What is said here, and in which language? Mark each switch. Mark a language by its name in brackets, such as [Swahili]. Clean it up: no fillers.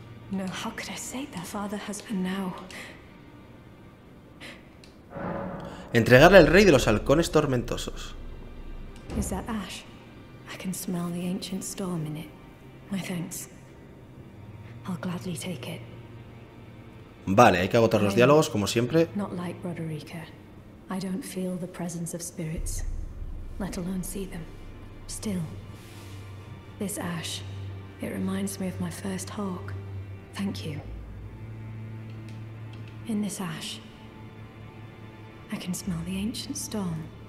[English] No, no, how could I say that father has been now? [Spanish] Entregarle al rey de los halcones tormentosos. [English] Is that ash? I can smell the ancient storm in it. My thanks. I'll gladly take it. [Spanish] Vale, hay que agotar los diálogos, como siempre. [English] Not like Roderica. I don't feel the presence of spirits, let alone see them. Still, this ash, it reminds me of my first hawk. Thank you. In this ash, I can smell the ancient storm.